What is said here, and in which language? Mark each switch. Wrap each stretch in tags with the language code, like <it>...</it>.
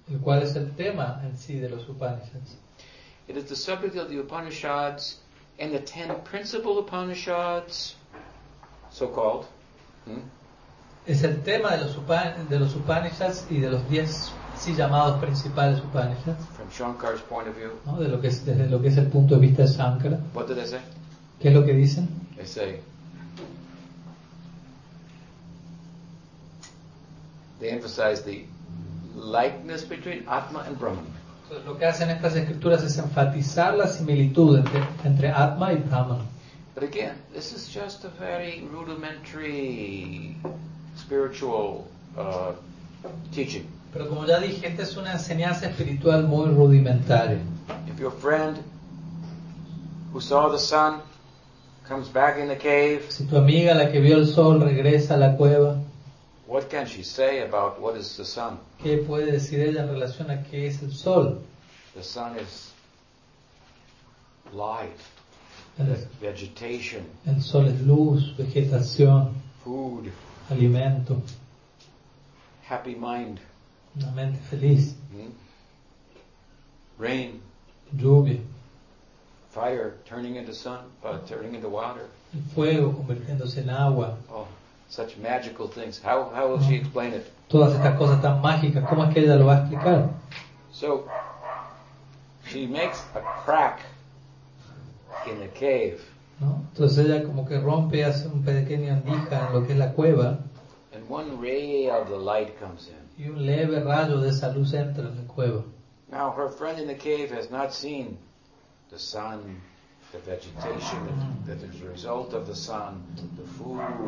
<es>¿Y cuál es el tema en sí de los Upanishads?</es> <en>It is the subject of the Upanishads and the ten principal Upanishads, so called.</en> <es>Es el tema de los Upanishads y de los diez así llamados principales Upanishads.</es> <en>From Shankara's point of view.</en> <es>¿No? Desde lo que es el punto de vista de Shankara.</es> <en>What do they say?</en> <es>¿Qué es lo que dicen?</es> <en>They say. They emphasize the likeness between Atma and Brahman.</en> <es>Lo que hacen estas escrituras es enfatizar la similitud entre Atma y Brahman.</es> <en>But again, this is just a very rudimentary spiritual teaching.</en> <es>Pero como ya dije, esta es una enseñanza espiritual muy rudimentaria.</es> <en>If your friend who saw the sun comes back in the cave,</en> <es>si tu amiga la que vio el sol regresa a la cueva,</es> <en>what can she say about what is the sun?</en> <es>¿Qué puede decir ella en relación a qué es el sol?</es> <en>The sun is light, vegetation.</en> <es>El sol es luz, vegetación,</es> <en>food,</en> <es>alimento,</es> <en>happy mind,</en> <es>una mente feliz,</es> <en>rain,</en> <es>lluvia,</es> <en>fire turning into sun, turning into water,</en> <es>el fuego convirtiéndose en agua.</es> <en>Oh. Such magical things. How will she explain it?</en> <es>Todas estas cosas tan mágicas, ¿cómo es que ella lo va a explicar?</es> <en>So, she makes a crack in the cave.</en> <es>¿No? Entonces ella como que rompe, hace un pequeño andija en lo que es la cueva.</es> <en>And one ray of the light comes in.</en> <es>Y un leve rayo de esa luz entra en la cueva.</es> <en>Now, her friend in the cave has not seen the sun, the vegetation that is a result of the sun, the food.</en>